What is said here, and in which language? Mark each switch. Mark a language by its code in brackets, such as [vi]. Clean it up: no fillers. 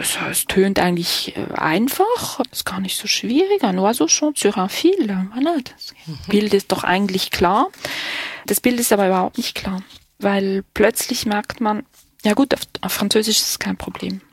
[de] Es tönt eigentlich einfach, ist gar nicht so schwierig. [fr] Un oiseau chante sur un fil, voilà. [de] Das Bild ist doch eigentlich klar. Das Bild ist aber überhaupt nicht klar, weil plötzlich merkt man, ja gut, auf Französisch ist es kein Problem.